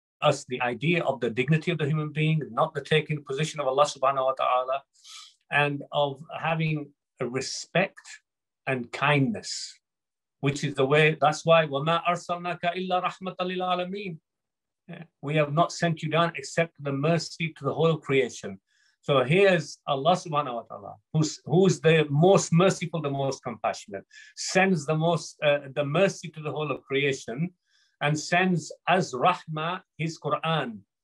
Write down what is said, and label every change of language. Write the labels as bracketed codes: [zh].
[en] us the idea of the dignity of the human being, not the taking position of Allah subhanahu wa ta'ala, and of having a respect and kindness, which is the way. That's why [ar] وَمَا أَرْسَلْنَاكَ إِلَّا رَحْمَةً لِلْعَالَمِينَ. [en] We have not sent you down except the mercy to the whole creation. So here's Allah subhanahu wa ta'ala, who's the most merciful, the most compassionate, sends the most the mercy to the whole of creation, and sends as rahmah his Quran.